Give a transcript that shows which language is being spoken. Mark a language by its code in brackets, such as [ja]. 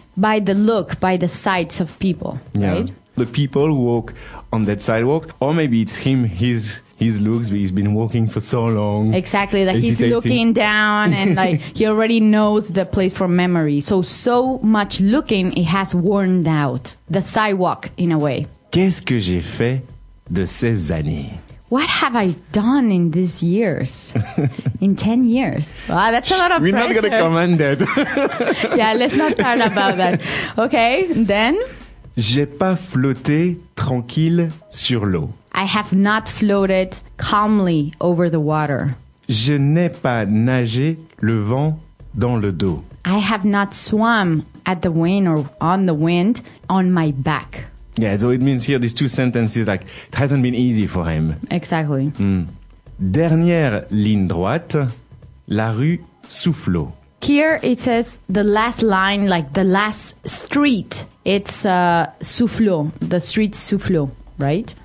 [en] By the look, by the sights of people, yeah. Right? The people who walk on that sidewalk, or maybe it's him, his looks, but he's been walking for so long. Exactly, like he's looking down and like he already knows the place from memory. So much looking, it has worn out the sidewalk in a way. [fr] Qu'est-ce que j'ai fait de ces années? [en] What have I done in these years? In 10 years? Wow, that's a lot of We're pressure. We're not going to comment it. Yeah, let's not talk about that. Okay, then? [fr] J'ai pas flotté tranquille sur l'eau. [en] I have not floated calmly over the water. [fr] Je n'ai pas nagé le vent dans le dos. [en] I have not swum at the wind or on the wind on my back. Yeah, so it means here, these two sentences, like, it hasn't been easy for him. Exactly. [fr] Mm. Dernière ligne droite, la rue Soufflot. [en] Here it says the last line, like the last street, it's Soufflot, the street Soufflot, right?